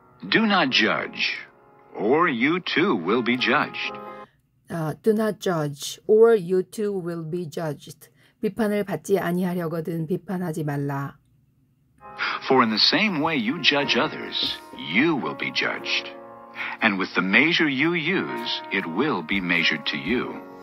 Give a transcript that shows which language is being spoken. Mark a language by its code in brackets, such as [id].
[en] Do not judge, or you too will be judged. Do not judge, or you too will be judged. [ko] 비판을 받지 아니하려거든 비판하지 말라. [en] For in the same way you judge others, you will be judged. And with the measure you use, it will be measured to you.